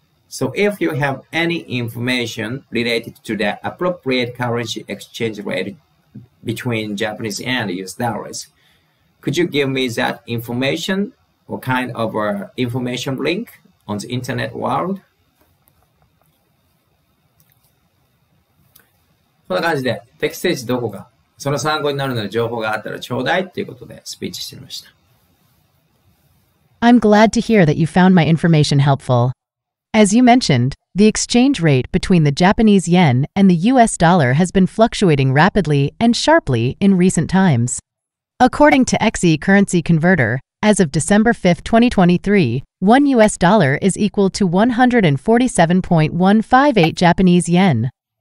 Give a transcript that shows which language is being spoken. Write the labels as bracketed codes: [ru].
[en] So if you have any information related to the appropriate currency exchange rate between Japanese yen and US dollars, could you give me that information or kind of a information link on the internet world? [ja] こんな感じで、適正値どこか、その参考になるような情報があったらちょうだいっていうことでスピーチしてみました。 [en] I'm glad to hear that you found my information helpful. As you mentioned, the exchange rate between the Japanese yen and the US dollar has been fluctuating rapidly and sharply in recent times. According to XE Currency Converter, as of December 5, 2023, one US dollar is equal to 147.158 Japanese yen.